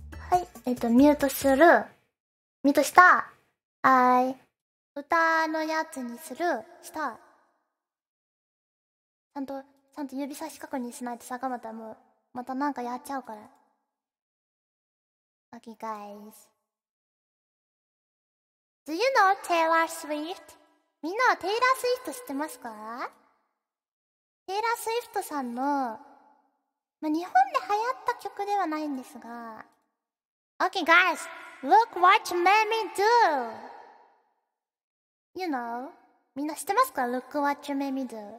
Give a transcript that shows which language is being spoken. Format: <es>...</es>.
<ja>はい。ミュートする。ミュートした。はい。歌のやつにする。した。ちゃんと指差し確認しないと坂本もう、またなんかやっちゃうから。</ja> <en>Okay, guys. Do you know Taylor Swift?</en> <ja>みんなはテイラースウィフト知ってますか？テイラースウィフトさんの、まあ、日本で流行った曲ではないんですが。</ja> <en>Okay, guys. Look what you made me do. You know?</en> <ja>みんな知ってますか？</ja> <en>Look what you made me do.</en>